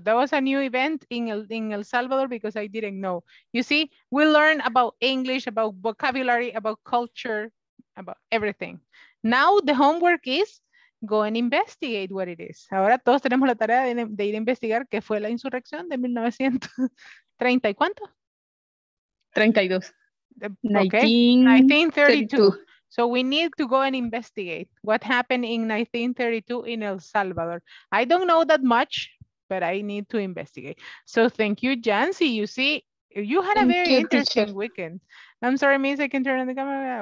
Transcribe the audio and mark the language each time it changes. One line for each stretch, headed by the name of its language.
English: That was a new event in El Salvador because I didn't know. You see, we learn about English, about vocabulary, about culture, about everything. Now the homework is go and investigate what it is.
Spanish: Ahora todos tenemos la tarea de ir a investigar qué fue la insurrección de 1930 y cuánto? 32.
English: Okay. 1932. So we need to go and investigate what happened in 1932 in El Salvador. I don't know that much, but I need to investigate. So thank you, Jancy. You see, you had a very interesting weekend. I'm sorry, Miss, I can turn on the camera.